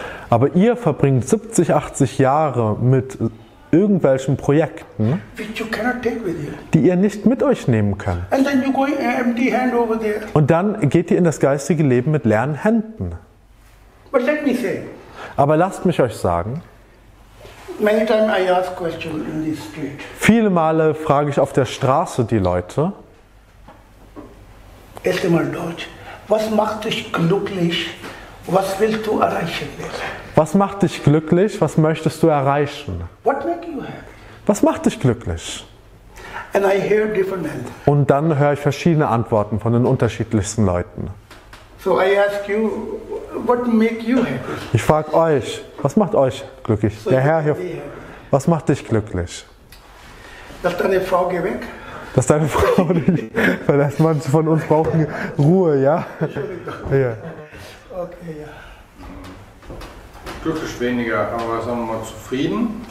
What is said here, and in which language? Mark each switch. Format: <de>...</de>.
<de>Aber ihr verbringt 70, 80 Jahre mit irgendwelchen Projekten,</de> <en>which you cannot take with you.</en> <de>Die ihr nicht mit euch nehmen könnt.</de> <en>And then you go empty hand over there.</en> <de>Und dann geht ihr in das geistige Leben mit leeren Händen.</de> <en>But let me say,</en> <de>aber lasst mich euch sagen,</de> <en>many time I ask questions in the street.</en> <de>Viele Male frage ich auf der Straße die Leute, erst einmal Deutsch, was macht dich glücklich, was willst du erreichen? Was macht dich glücklich? Was möchtest du erreichen?</de> <en>What make you happy?</en> <de>Was macht dich glücklich?</de> <en>And I hear different answers.</en> <de>Und dann höre ich verschiedene Antworten von den unterschiedlichsten Leuten.</de> <en>So I ask you, what make you happy?</en> <de>Ich frage euch, was macht euch glücklich? So der Herr hier, was macht dich glücklich? Dass deine Frau geht weg. Dass deine Frau nicht, weil das manche von uns brauchen Ruhe, ja? Entschuldigung. Ja. Okay, ja. glücklich weniger, aber sagen wir mal zufrieden.</de>